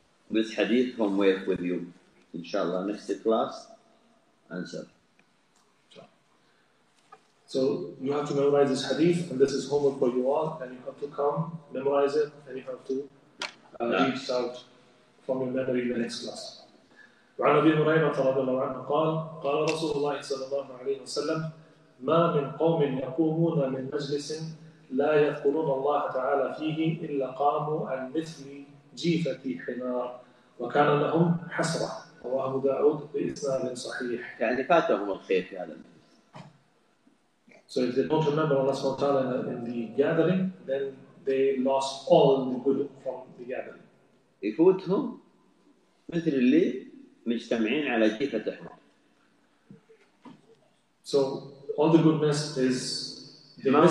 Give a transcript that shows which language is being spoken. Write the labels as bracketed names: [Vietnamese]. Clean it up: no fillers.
[English] This hadith come with you. Inshallah, next class, answer. So you have to memorize this hadith, and this is homework for you all, and you have to come, memorize it, and you have to read it out from your memory in the next class. [Arabic] وعن أبي هريرة رضي الله عنه قال قال رسول الله صلى الله عليه وسلم ما من قوم يقومون من مجلس لا يذكرون الله تعالى فيه إلا قاموا عن مثل جيفة حمار وكان لهم حسرة رواه داود بإسناد صحيح. يعني فاتهم الخير في هذا المجلس. [English] So if they don't remember Allah SWT in the gathering, then they lost all the good from the gathering. [Arabic] يفوتهم مثل اللي مجتمعين على جيفة حمار. [English] So all the goodness is the